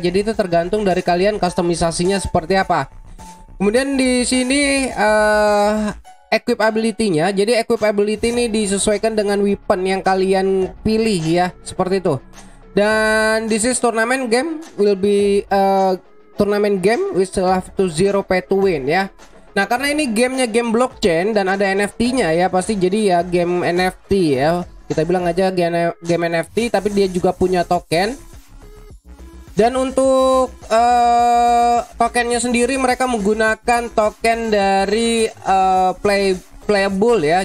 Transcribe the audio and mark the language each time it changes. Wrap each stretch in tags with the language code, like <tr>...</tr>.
<id>Jadi itu tergantung dari kalian kustomisasinya seperti apa. Kemudian di sini equipability-nya. Jadi equipability ini disesuaikan dengan weapon yang kalian pilih ya, seperti itu.</id> <en>Dan this is tournament game, will be tournament game with have to zero pay to win ya.</en> <id>Nah, karena ini gamenya game blockchain dan ada NFT-nya ya, pasti jadi ya game NFT ya. Kita bilang aja game NFT tapi dia juga punya token. Dan untuk tokennya sendiri mereka menggunakan token dari playable ya.</id>